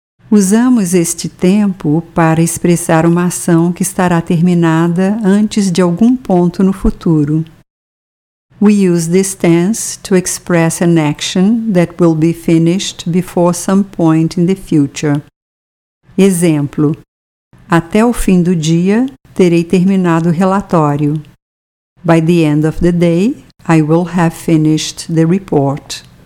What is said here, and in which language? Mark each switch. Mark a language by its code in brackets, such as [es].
[pt] Usamos este tempo para expressar uma ação que estará terminada antes de algum ponto no futuro. [en] We use this tense to express an action that will be finished before some point in the future. [pt] Exemplo: até o fim do dia, terei terminado o relatório. [en] By the end of the day, I will have finished the report.